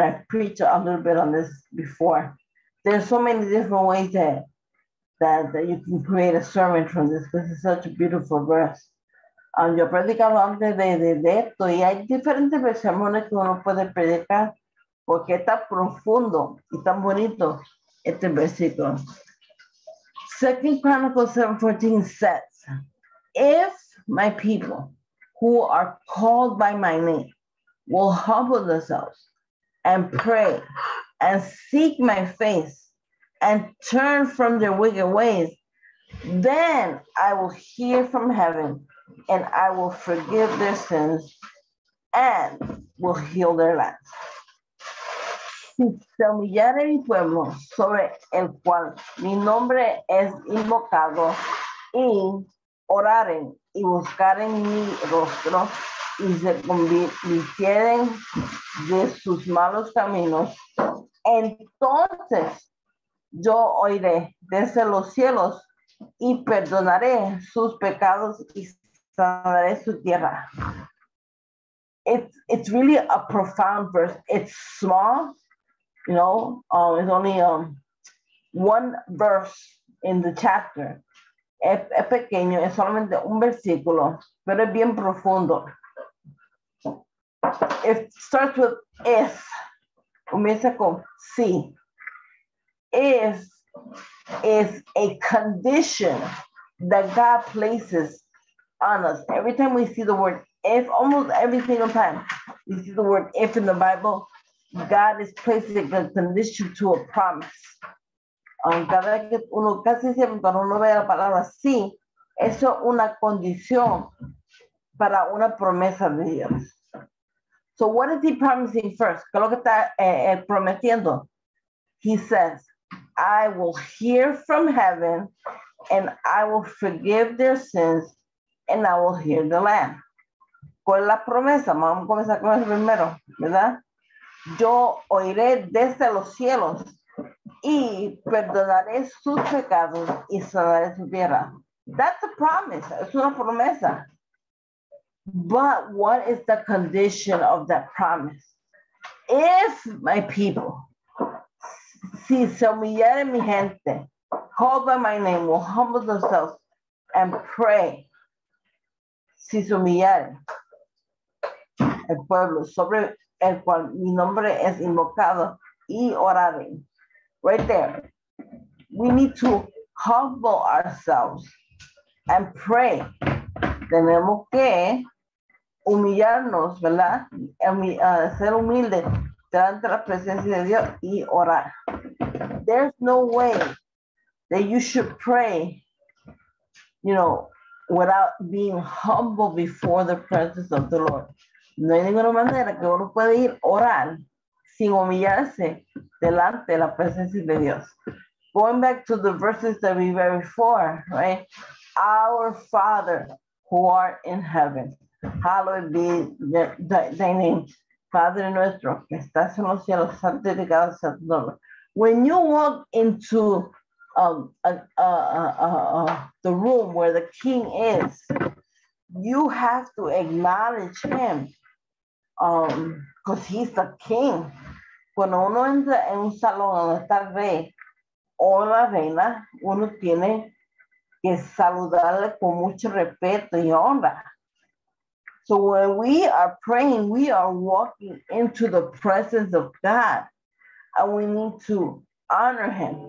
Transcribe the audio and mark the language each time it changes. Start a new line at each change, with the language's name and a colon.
English: I've preached a little bit on this before. There's so many different ways that you can create a sermon from this. This is such a beautiful verse.
Spanish: Yo predicaba antes de esto, y hay diferentes sermones que uno puede predicar porque está profundo y tan bonito este versículo.
English: 2 Chronicles 7:14 says, if my people who are called by my name will humble themselves and pray and seek my face and turn from their wicked ways, then I will hear from heaven and I will forgive their sins and will heal their land.
Spanish: Si se humillare mi pueblo sobre el cual mi nombre es invocado y oraren y buscaren mi rostro y se convirtieren de sus malos caminos, Entonces yo oiré desde los cielos y perdonaré sus pecados y sanaré su tierra.
English: It's really a profound verse. It's small, you know, it's only one verse in the chapter.
Spanish: Es pequeño, es solamente un versículo, pero es bien profundo.
English: It starts with if.
Spanish: Comienza con si.
English: If is a condition that God places on us. Every time we see the word if, almost every single time we see the word if in the Bible, God is placing a condition to a promise.
Spanish: Cada vez que uno casi siempre cuando uno ve la palabra sí, eso es una condición para una promesa de Dios.
English: So what is he promising first?
Spanish: ¿Qué es lo que está prometiendo?
English: He says, I will hear from heaven and I will forgive their sins and I will heal the land.
Spanish: ¿Cuál es la promesa? Vamos a comenzar con eso primero, ¿verdad? Yo oiré desde los cielos y perdonaré sus pecados y sanaré su tierra.
English: That's a promise.
Spanish: Es una promesa.
English: But what is the condition of that promise? If my people,
Spanish: si se humillare mi gente,
English: call by my name, will humble themselves and pray.
Spanish: Si se humillare el pueblo sobre el cual mi nombre es invocado y orare.
English: Right there, we need to humble ourselves and pray.
Spanish: Tenemos que humillarnos, ¿verdad? Ser humilde delante de la presencia de Dios y orar.
English: There's no way that you should pray, you know, without being humble before the presence of the Lord.
Spanish: No hay ninguna manera que uno pueda ir a orar sin humillarse delante de la presencia de Dios.
English: Going back to the verses that we read before, right? Our Father who art in heaven, hallowed be thy name.
Spanish: Padre nuestro, que estás en los cielos, santificado sea tu nombre.
English: When you walk into the room where the king is, you have to acknowledge him because he's the king.
Spanish: Cuando uno entra en un salón donde está el rey o la reina, uno tiene que saludarle con mucho respeto y honra.
English: So when we are praying, we are walking into the presence of God, and we need to honor him.